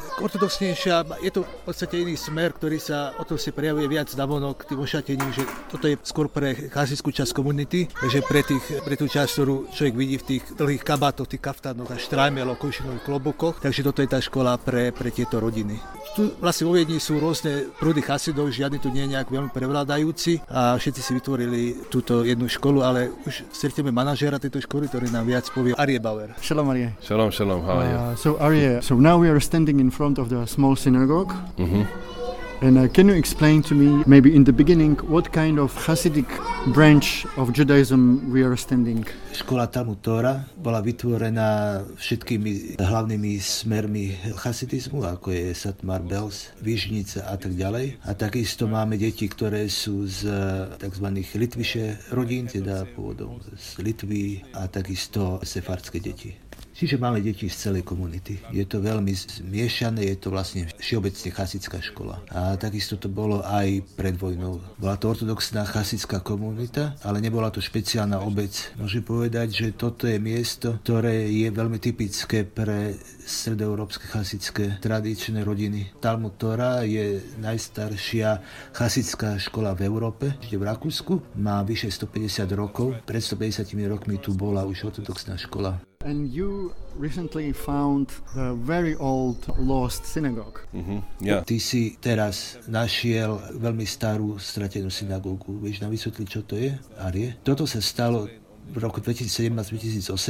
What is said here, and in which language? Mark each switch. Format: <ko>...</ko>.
<sk>Ortodoxnejšia, je to v podstate iný smer, ktorý sa o to si prejavuje viac navonok tým ošatením, že toto je skôr pre chasidskú časť komunity, že pre tú časť, ktorú človek vidí v tých dlhých kabátoch, tých kaftánoch a štrajmeloch, košinových klobúkoch, takže toto je tá škola pre tieto rodiny. Tu vlastne vo Viedni sú rôzne prúdy chasidov, žiadny tu nie je nejak veľmi prevládajúci a všetci si vytvorili túto jednu školu, ale už stretneme manažéra tejto školy, ktorý nám viac povie. Arie Bauer.</sk> <he>Shalom, Arie.</he> <en>Shalom, shalom, how are you? So Arie, so now we are standing in front of the small synagogue. Mm-hmm. And can you explain to me, maybe in the beginning, what kind of Hasidic branch of Judaism we are standing?</en> <sk>Škola Talmud Torah bola vytvorená všetkými hlavnými smermi chasidizmu, ako je Satmar, Belz, Vižnica a tak ďalej. A takisto máme deti, ktoré sú z tzv. Litvyše rodín, teda pôvodom z Litvy, a takisto sefardské deti. Čiže máme deti z celej komunity. Je to veľmi zmiešané, je to vlastne všeobecne chasidská škola. A takisto to bolo aj pred vojnou. Bola to ortodoxná chasidská komunita, ale nebola to špeciálna obec. Môžem povedať, že toto je miesto, ktoré je veľmi typické pre stredoeurópske chasidské tradičné rodiny. Talmud Torah je najstaršia chasidská škola v Európe, čiže v Rakúsku. Má vyše 150 rokov. Pred 150 rokmi tu bola už ortodoxná škola.</sk> <en>And you recently found the very old lost synagogue. Mm-hmm. Yeah.</en> <sk>Ty si teraz našiel veľmi starú stratenú synagógu. Vieš nám vysvetliť, čo to je, Arie? Toto sa stalo v roku 2017-2018.</sk>